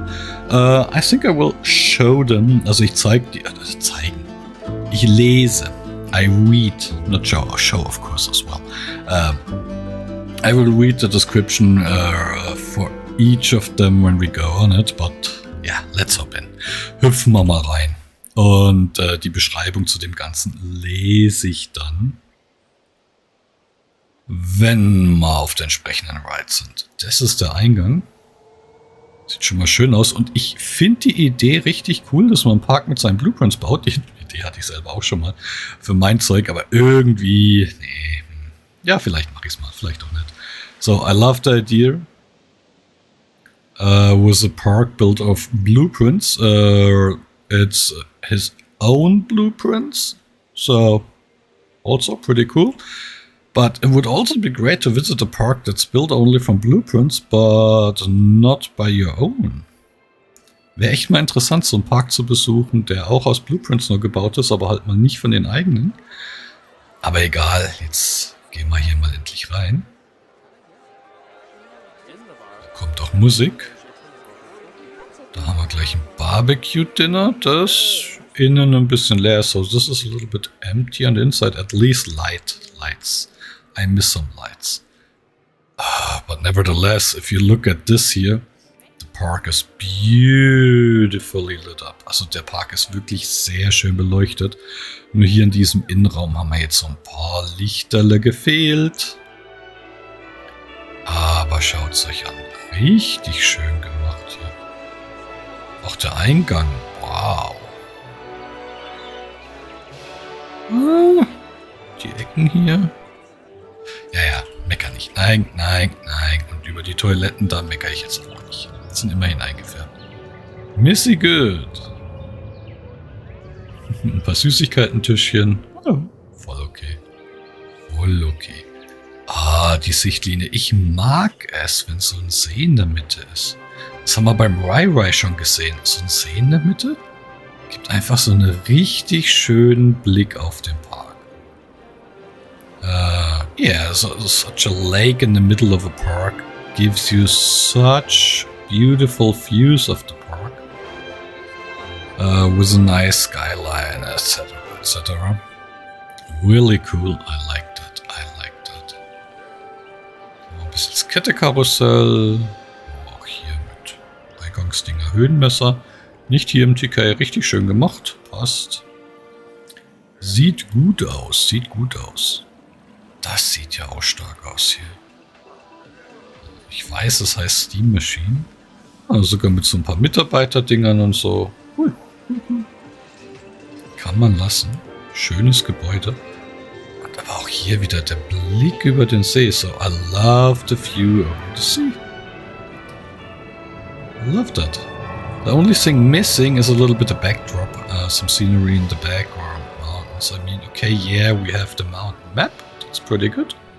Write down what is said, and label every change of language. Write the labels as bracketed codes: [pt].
[en] I think I will show them, [de] also ich zeige die, also zeigen, ich lese. [en] I read, not show, show of course as well. I will read the description for each of them when we go on it, but yeah, let's hop in. [de] Hüpfen wir mal rein. Und die Beschreibung zu dem Ganzen lese ich dann, wenn wir auf den entsprechenden Rides sind. Das ist der Eingang. Sieht schon mal schön aus. Und ich finde die Idee richtig cool, dass man einen Park mit seinen Blueprints baut. Die Idee hatte ich selber auch schon mal für mein Zeug, aber irgendwie... Nee. Ja, vielleicht mache ich es mal, vielleicht auch nicht. [en] So, I love the idea. With a park built of blueprints. It's his own blueprints. So, also pretty cool. But it would also be great to visit a park that's built only from blueprints, but not by your own. [de] Wäre echt mal interessant, so einen Park zu besuchen, der auch aus Blueprints nur gebaut ist, aber halt mal nicht von den eigenen. Aber egal, jetzt gehen wir hier mal endlich rein. Da kommt auch Musik. Da haben wir gleich ein Barbecue-Dinner, das innen ein bisschen leer ist. [en] So, this is a little bit empty on the inside, at least light lights. I miss some lights. But nevertheless, if you look at this here, the park is beautifully lit up. [de] Also der Park ist wirklich sehr schön beleuchtet. Nur hier in diesem Innenraum haben wir jetzt so ein paar Lichterle gefehlt. Aber schaut es euch an. Richtig schön gemacht hier. Auch der Eingang. Wow. Die Ecken hier. Ja, ja, mecker nicht. Nein, nein, nein. Und über die Toiletten, da mecker ich jetzt auch nicht. Das sind immerhin eingefärbt. Missy Good. Ein paar Süßigkeiten-Tischchen. Oh. Voll okay. Voll okay. Ah, die Sichtlinie. Ich mag es, wenn so ein See in der Mitte ist. Das haben wir beim Rai Rai schon gesehen. So ein See in der Mitte gibt einfach so einen richtig schönen Blick auf den Park. [en] Yeah, so, such a lake in the middle of a park gives you such beautiful views of the park. With a nice skyline, etc., etc. Really cool, I like that, I like that. [de] Ein bisschen das Kettekarussell. Auch hier mit Eingangsdinger Höhenmesser. Nicht hier im TK, richtig schön gemacht, passt. Sieht gut aus, sieht gut aus. Das sieht ja auch stark aus hier. Ich weiß, es heißt Steam Machine. Also sogar mit so ein paar Mitarbeiterdingern und so. Kann man lassen. Schönes Gebäude. Und aber auch hier wieder der Blick über den See. [en] So, I love the view over the sea. I love that. The only thing missing is a little bit of backdrop. Some scenery in the background. else. I mean, okay, yeah, we have the mountain map. It's pretty good.